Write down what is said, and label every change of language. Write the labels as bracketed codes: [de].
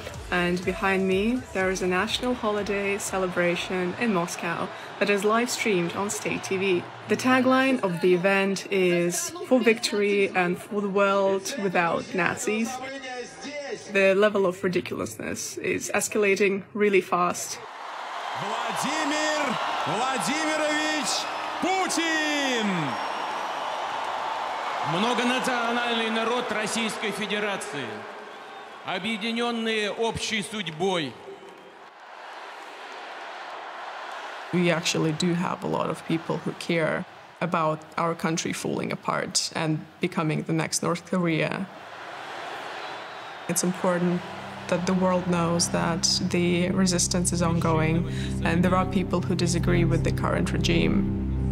[en] And behind me, there is a national holiday celebration in Moscow that is live streamed on state TV. The tagline of the event is for victory and for the world without Nazis. The level of ridiculousness is escalating really fast. [ru] Владимир Владимирович Путин! Многонациональный народ Российской Федерации, объединенные общей судьбой. [en] We actually do have a lot of people who care about our country falling apart and becoming the next North Korea. It's important that the world knows that the resistance is ongoing and there are people who disagree with the current regime.